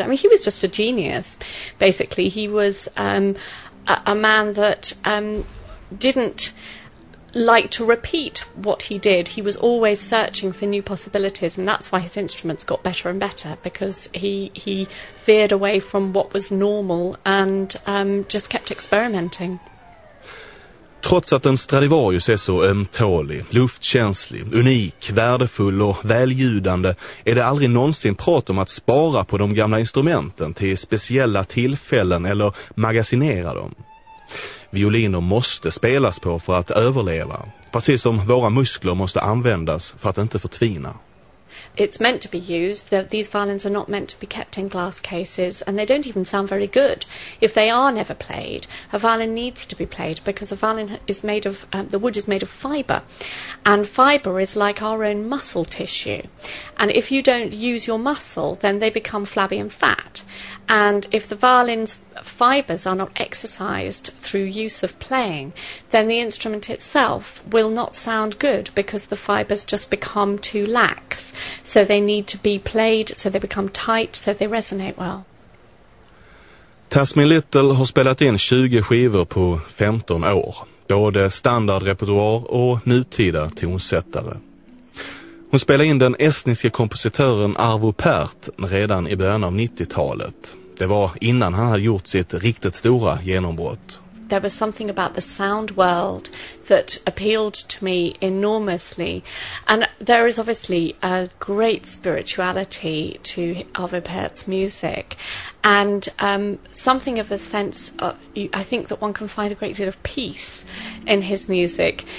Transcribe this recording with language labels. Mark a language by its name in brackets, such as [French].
[English] I mean, he was just a genius, basically. He was a man that didn't like to repeat what he did. He was always searching for new possibilities, and that's why his instruments got better and better, because he veered away from what was normal and just kept experimenting. [Swedish] Trots att en Stradivarius är så ömtålig, luftkänslig, unik, värdefull och väljudande, är det aldrig någonsin prat om att spara på de gamla instrumenten till speciella tillfällen eller magasinera dem. Violiner måste spelas på för att överleva, precis som våra muskler måste användas för att inte förtvina. [English] It's meant to be used. These violins are not meant to be kept in glass cases, and they don't even sound very good if they are never played. A violin needs to be played, because a violin is made of the wood is made of fiber, and fiber is like our own muscle tissue. And if you don't use your muscle, then they become flabby and fat. And if the violin's fibers are not exercised through use of playing, then the instrument itself will not sound good, because the fibers just become too lax. So they need to be played, so they become tight, so they resonate well. [Swedish] Tasmin Little har spelat in 20 skivor på 15 år, både standardrepertoar och nutida tonsättare. Hon spelade in den estniska kompositören Arvo Pärt redan i början av 90-talet. Det var innan han hade gjort sitt riktigt stora genombrott. [English] There was something about the sound world that appealed to me enormously. And there is obviously a great spirituality to Arvo Pärt's music. And something of a sense of, I think that one can find a great deal of peace in his music.